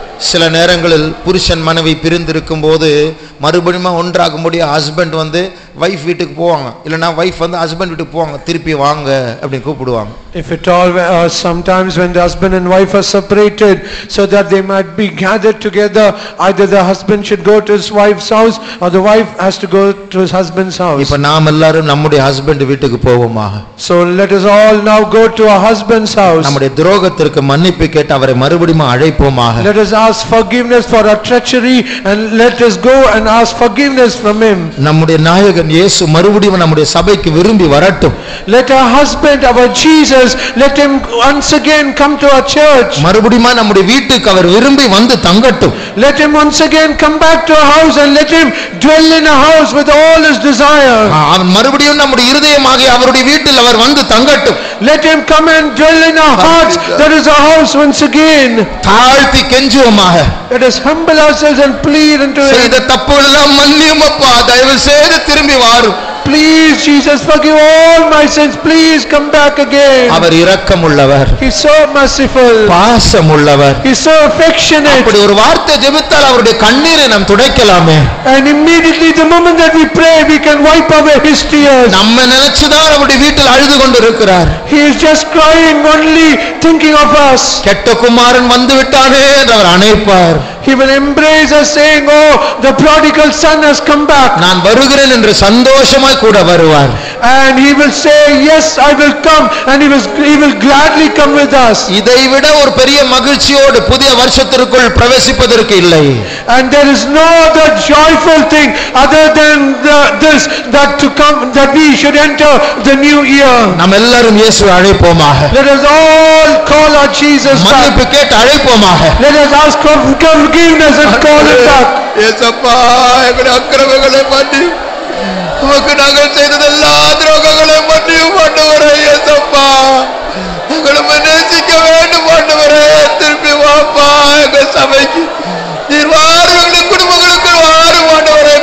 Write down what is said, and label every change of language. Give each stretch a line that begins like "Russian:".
Tamil: சில நேரங்களில் புருஷன் மனைவி பிரிந்திருக்கும் போது மறுபடியும் ஒன்றாகும் போது ஹஸ்பண்ட் வந்து வைஃப் வீட்டுக்கு போவாங்க, இல்லனா வைஃப் வந்து ஹஸ்பண்ட் வீட்டுக்கு போவாங்க, திருப்பி வாங்க அப்படின்னு கூப்பிடுவாங்க.
English: If it all sometimes when the husband and wife are separated so that they might be gathered together, either the husband should go to his wife's house or the wife has to go to his husband's house.
Tamil: இப்ப நாம் எல்லாரும் நம்முடைய husband வீட்டுக்கு போவோமாக.
English: So let us all now go to our husband's house.
Tamil: நம்முடைய துரோகத்திற்கு மன்னிப்பு கேட்டு அவரை மறுபடியும் அழைப்போமாக.
English: Let us ask forgiveness for our treachery and let us go and ask forgiveness from him.
Tamil: நம்முடைய நாயகன் இயேசு மறுபடியும் நம்முடைய சபைக்கு விரும்பி வரட்டும்.
English: Let our husband, our Jesus, let him once again come to our church.
Tamil: மறுபடியும் நம்முடைய வீட்டுக்கு அவர் விரும்பி வந்து தங்கட்டும்.
English: Let him once again come back to our house and let him dwell in our house with all his desires.
Tamil: அவர் மறுபடியும் நம்முடைய இதயமாகிய அவருடைய வீட்டில் அவர் வந்து தங்கட்டும்.
English: Let him come and dwell in our hearts. That is our house once again.
Tamil: தாழ்த்தி கெஞ்சுவோமாக.
English: Let us humble ourselves and plead unto him.
Tamil: செய்த தப்புகளெல்லாம் மன்னியும்ப்பா, தயவு செய்து திரும்பி வாரும்.
English: Please, Jesus, forgive all my sins. Please come back again.
Tamil: Our இரக்கமுள்ளவர்.
English: He's so merciful.
Tamil: பாசமுள்ளவர்.
English: He's so affectionate.
Tamil: அப்படி ஒரு வார்த்தை ஜெபித்தால் அவருடைய கண்ணீரை நாம் துடைக்கலாமே.
English: And immediately, the moment that we pray, we can wipe away his tears.
Tamil: நம்ம நினைச்சுதான் அவருடைய வீட்டில் அழுது கொண்டிருக்கிறார்.
English: He is just crying only thinking of us.
Tamil: கெட்ட குமாரன் வந்து விட்டானே என்று அவர் அணைப்பார்.
English: He will embrace us saying, oh, the prodigal son has come back.
Tamil: நான் வருகிறேன் என்று சந்தோஷமாய் கூட வருவார்.
English: And he will say, yes, I will come. And he will gladly come with us.
Tamil: இதை விட ஒரு பெரிய மகிழ்ச்சியோடு புதிய வருஷத்திற்குள் பிரவேசிப்பதற்கு இல்லை.
English: And there is no other joyful thing other than this that to come, that we should enter the new year.
Tamil: நாம் எல்லாரும் இயேசுவை அழைப்போமாக.
English: Let us all call our Jesus
Tamil: back. மன்னிப்பு கேட்டு அழைப்போமாக.
English: Let us ask for forgiveness and call him back.
Tamil: இயேசப்பா, எங்களுடைய அக்கிரமங்களை மன்னியும். உமக்கு நாங்கள் செய்தது எல்லா துரோகங்களையும் மன்னியும் ஆண்டவரே. இயேசப்பா, எங்களை நேசிக்க வேண்டும் ஆண்டவரே. திருப்பி வாப்பா எங்கள் சபைக்கு. நீர் வாரும் எங்களை குடும்பங்களுக்கு வாரும் ஆண்டவரே.